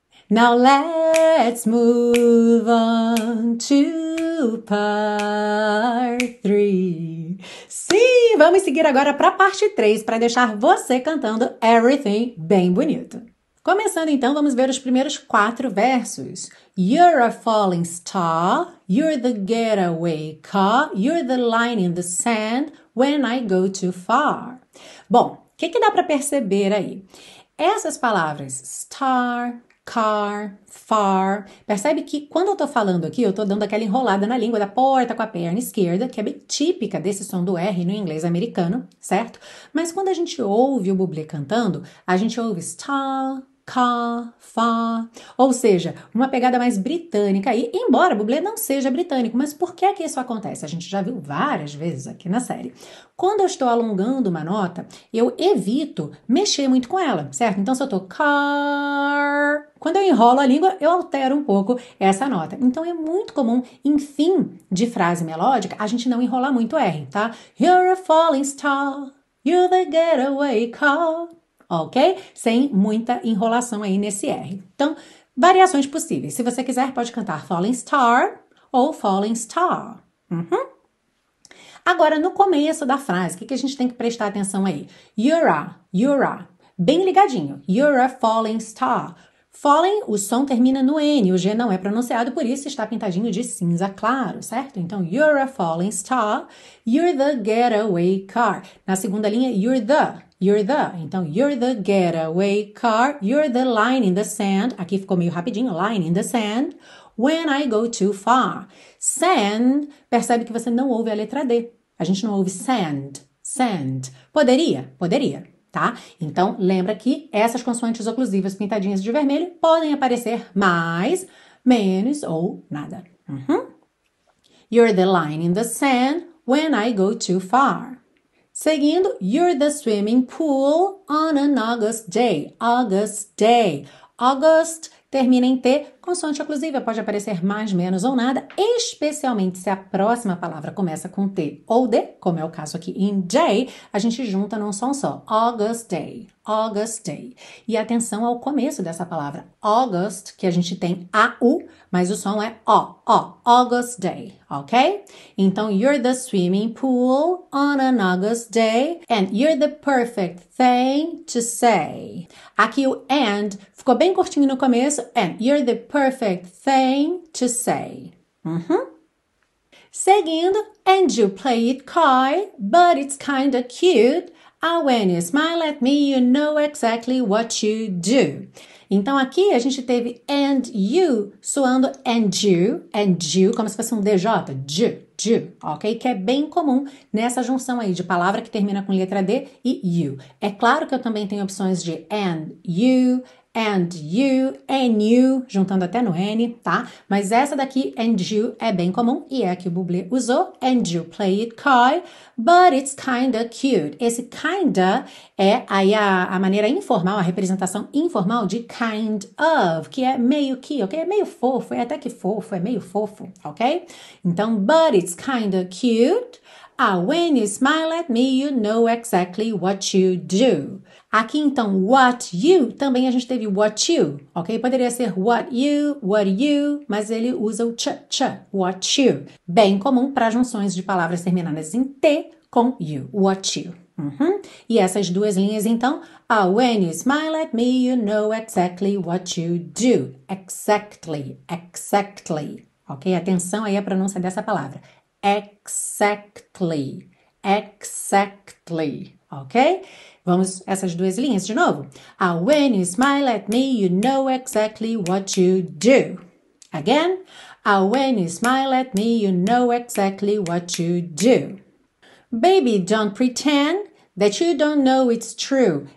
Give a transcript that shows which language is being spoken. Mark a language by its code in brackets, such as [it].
[en] Now let's move on to part 3. [pt] Sim, vamos seguir agora para a parte 3 para deixar você cantando Everything bem bonito. Começando então, vamos ver os primeiros 4 versos. [en] You're a falling star, you're the getaway car, you're the line in the sand when I go too far. [pt] Bom, o que dá para perceber aí? Essas palavras, star, car, far, percebe que quando eu tô falando aqui, eu tô dando aquela enrolada na língua da porta com a perna esquerda, que é bem típica desse som do R no inglês americano, certo? Mas quando a gente ouve o Bublé cantando, a gente ouve star, car, far, ou seja, uma pegada mais britânica aí, embora o Bublé não seja britânico, mas por que é que isso acontece? A gente já viu várias vezes aqui na série. Quando eu estou alongando uma nota, eu evito mexer muito com ela, certo? Então, se eu estou car, quando eu enrolo a língua, eu altero um pouco essa nota. Então, é muito comum, em fim de frase melódica, a gente não enrolar muito R, tá? [en] You're a falling star, you're the getaway car, ok? [pt] Sem muita enrolação aí nesse R. Então, variações possíveis. Se você quiser, pode cantar falling star ou falling star. Uhum. Agora, no começo da frase, o que a gente tem que prestar atenção aí? [en] You're a, [pt] bem ligadinho, [en] you're a falling star. [pt] Falling, o som termina no N, o G não é pronunciado, por isso está pintadinho de cinza claro, certo? [en] Então, you're a falling star, you're the getaway car. [pt] Na segunda linha, [en] you're the, então, you're the getaway car, you're the line in the sand, [pt] aqui ficou meio rapidinho, [en] line in the sand, when I go too far. [pt] Sand, percebe que você não ouve a letra D. A gente não ouve sand. Poderia, tá? Então, lembra que essas consoantes oclusivas pintadinhas de vermelho podem aparecer mais, menos ou nada. Uhum. [en] You're the line in the sand when I go too far. Seguindo, you're the swimming pool on an August day. August, [pt] termina em T, Consoante oclusiva pode aparecer mais, menos ou nada, especialmente se a próxima palavra começa com T ou D, como é o caso aqui em day, a gente junta num som só. [en] August day, August day. [pt] E atenção ao começo dessa palavra. August, que a gente tem A-U, mas o som é O, O, August day, ok? [en] Então, you're the swimming pool on an August day and you're the perfect thing to say. [pt] Aqui o and ficou bem curtinho no começo. [en] And you're the perfect thing to say. Seguindo, and you play it coy, but it's kinda cute. Ah, when you smile at me, you know exactly what you do. [pt] Então, aqui a gente teve and you soando and you, como se fosse um DJ, ju, ju, ok? Que é bem comum nessa junção aí de palavra que termina com letra D e you. É claro que eu também tenho opções de and you, and you, juntando até no N, tá? Mas essa daqui, and you, é bem comum e é a que o Bublé usou. [en] And you play it coy, but it's kinda cute. [pt] Esse kinda é aí a maneira informal, a representação informal de kind of, que é meio que, ok? É meio fofo, é até que fofo, é meio fofo, ok? [en] Então, but it's kinda cute. Ah, when you smile at me, you know exactly what you do. [pt] Aqui, então, what you, também a gente teve what you, ok? Poderia ser what you, mas ele usa o ch, ch, what you. Bem comum para junções de palavras terminadas em T com you, what you. E essas duas linhas, então, [en] ah, when you smile at me, you know exactly what you do. [pt] Exactly, exactly. Ok, atenção aí à pronúncia dessa palavra. [en] Exactly, exactly, ok? [pt] Vamos essas duas linhas de novo. [en] Ah, when you smile at me, you know exactly what you do. Again, ah, when you smile at me, you know exactly what you do. Baby, don't pretend that you don't know it's true.